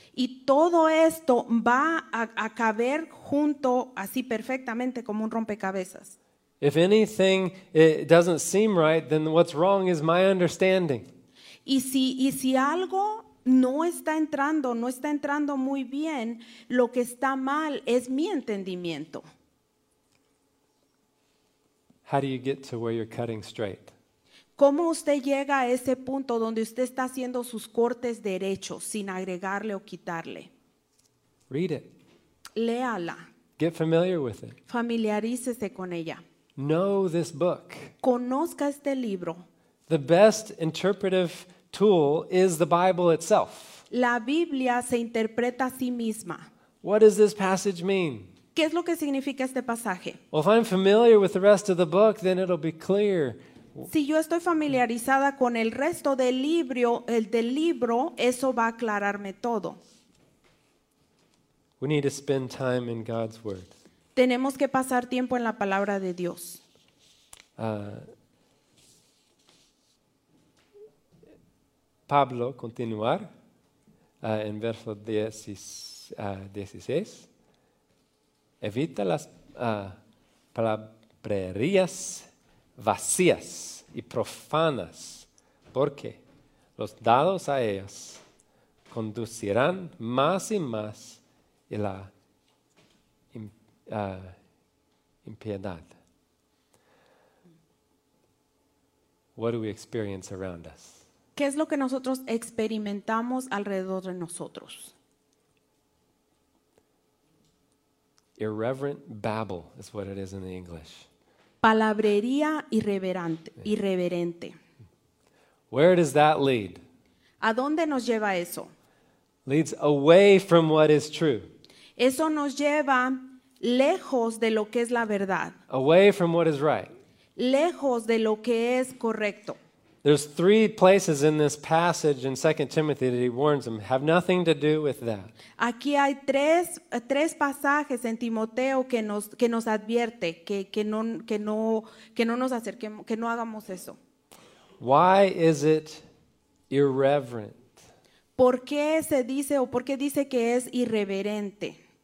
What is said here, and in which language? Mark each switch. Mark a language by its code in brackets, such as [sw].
[es] Y todo esto va a caber junto así perfectamente como un rompecabezas. [en] If anything it doesn't seem right, then what's wrong is my understanding. [es] Y si algo no está entrando muy bien, lo que está mal es mi entendimiento. [en] How do you get to where you're cutting straight? [es] ¿Cómo usted llega a ese punto donde usted está haciendo sus cortes derechos sin agregarle o quitarle? [en] Read it. [es] Léala. [en] Get familiar with it. [es] Familiarícese con ella. [en] Know this book. [es] Conozca este libro. [en] The best interpretive tool is the Bible itself. [es] La Biblia se interpreta a sí misma. [en] What does this passage mean? [es] ¿Qué es lo que significa este pasaje? [en] Well, if I'm familiar with the rest of the book, then it'll be clear. [es] Si yo estoy familiarizada con el resto del libro, eso va a aclararme todo. [en] We need to spend time in God's word. [es] Tenemos que pasar tiempo en la palabra de Dios. Pablo, continuar en verso 16. Evita las palabrerías vacías y profanas, porque los dados a ellas conducirán más y más a la impiedad. [en] What do we experience around us? [es] ¿Qué es lo que nosotros experimentamos alrededor de nosotros? [en] Irreverent babble is what it is in the English. [es] Palabrería irreverente. [en] Where does that lead? [es] ¿A dónde nos lleva eso? [en] Leads away from what is true. [es] Eso nos lleva lejos de lo que es la verdad. [en] Away from what is right. [es] Lejos de lo que es correcto. [en] There's three places in this passage in 2 Timothy that he warns them have nothing to do with that. [es] Aquí hay tres pasajes en Timoteo que nos advierte que no hagamos eso. [en] Why is it irreverent? [es] ¿Por qué se dice o por qué dice que es irreverente?